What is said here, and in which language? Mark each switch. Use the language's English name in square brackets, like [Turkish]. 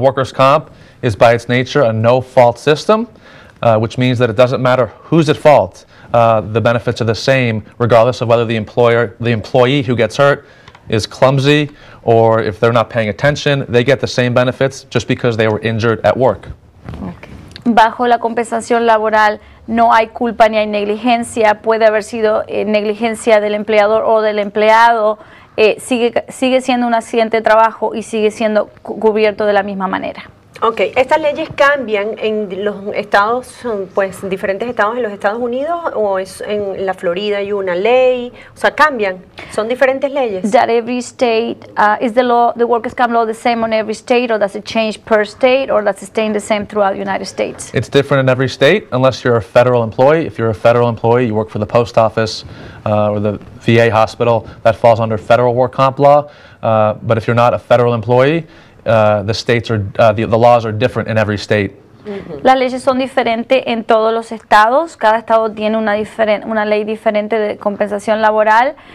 [English] Workers' comp is by its nature a no-fault system, which means that it doesn't matter who's at fault. The benefits are the same, regardless of whether the employee who gets hurt is clumsy or if they're not paying attention. They get the same benefits just because they were injured at work. Okay. [Spanish] Bajo la compensación laboral no hay culpa ni hay negligencia, puede haber sido negligencia del empleador o del empleado, sigue siendo un accidente de trabajo y sigue siendo cubierto de la misma manera. Ok, ¿estas leyes cambian en los estados, pues diferentes estados en los Estados Unidos, o es en la Florida hay una ley? O sea, ¿cambian? ¿Son diferentes leyes? [English] That every state, is the law, the workers' comp law the same on every state, or does it change per state, or does it stay the same throughout the United States? It's different in every state, unless you're a federal employee. If you're a federal employee, you work for the post office, or the VA hospital, that falls under federal work comp law. But if you're not a federal employee, the states are the laws are different in every state. [Spanish] Las leyes son diferentes en todos los estados. Cada estado tiene una ley diferente de compensación laboral.